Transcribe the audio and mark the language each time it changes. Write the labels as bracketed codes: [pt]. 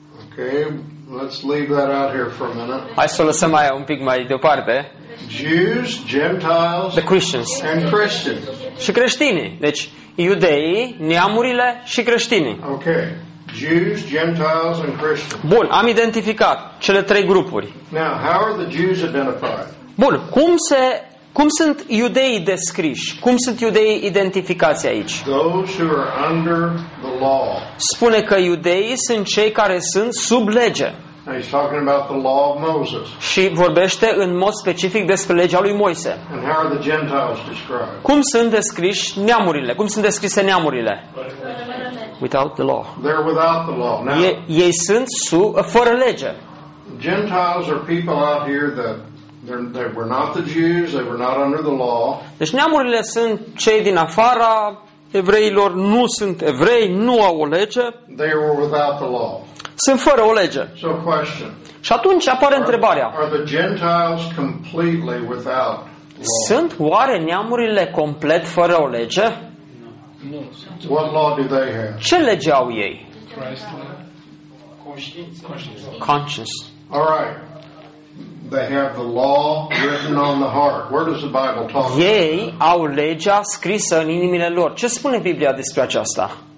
[en] Okay, let's leave that out here for a minute. [ro] Hai să o lăsăm aia un pic mai departe. [en] Jews, Gentiles, the Christians. And Christians. [ro] Și creștinii. Deci, iudeii, neamurile și creștinii. [en] Okay. Jews, Gentiles and Christians. [ro] Bun, am identificat cele trei grupuri. [en] Now, how are the Jews identified? [ro] Bun, cum sunt iudeii descriși? Cum sunt iudeii identificați aici? [en] Those who are under the law. [ro] Spune că iudeii sunt cei care sunt sub lege. [en] Now he's talking about the law of Moses. [ro] Și vorbește în mod specific despre legea lui Moise. [en] And how are the Gentiles described? [ro] Cum sunt descriși neamurile? Cum sunt descrise neamurile? [en] Without the law. They're without the law. Now, [ro] ei sunt fără lege. [en] Gentiles are people out here that they were not the Jews, they were not under the law. [ro] Deci neamurile sunt cei din afara evreilor, nu sunt evrei, nu au o lege. [en] They were without the law. [ro] Sunt fără o lege. [en] So question. [ro] Și atunci apare întrebarea. [en] Are the Gentiles completely without law? [ro] Sunt oare neamurile complet fără o lege? Nu. [en] What law do they have? [ro] Ce lege au ei? [en] Conscience. All right. They have the law written on the heart. Where does the Bible talk? [ro] Ei au legea scrisă în inimile lor. Ce spune Biblia despre aceasta?